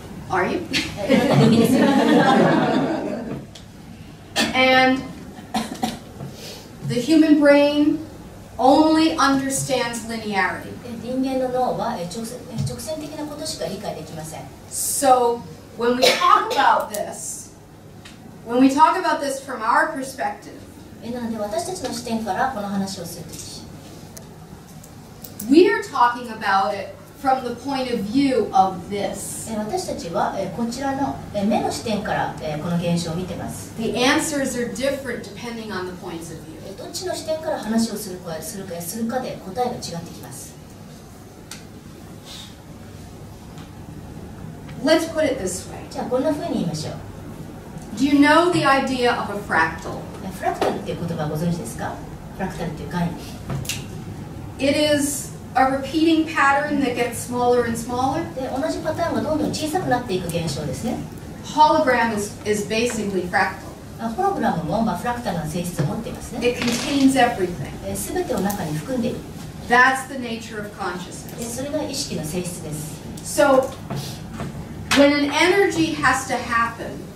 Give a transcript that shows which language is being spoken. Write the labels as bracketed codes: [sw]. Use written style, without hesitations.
[en] Are you? And the human brain only understands linearity. [ja] 人間の脳は直線的なことしか理解できません。 [en] So when we talk about this, when we talk about this from our perspective, [ja] なので私たちの視点からこの話をするとき、 [en] We are talking about it from the point of view of this. [ja] 私たちはこちらの目の視点からこの現象を見ています。 [en] The answers are different depending on the points of view. [ja] どっちの視点から話をするかするかするかで答えが違ってきます。 [en] Let's put it this way. [ja] じゃあこんなふうに言いましょう。 [en] Do you know the idea of a fractal? [ja] フラクタルっていう言葉ご存知ですか？フラクタルっていう概念。 [en] It is a repeating pattern that gets smaller and smaller. [ja] で、同じパターンがどんどん小さくなっていく現象ですね。 [en] Hologram is basically fractal. [ja] ホログラムもまあフラクタルな性質を持っていますね。 [en] It contains everything. [ja] すべてを中に含んでいる。 [en] That's the nature of consciousness. [ja] それが意識の性質です。 [en] So, when an energy has to happen,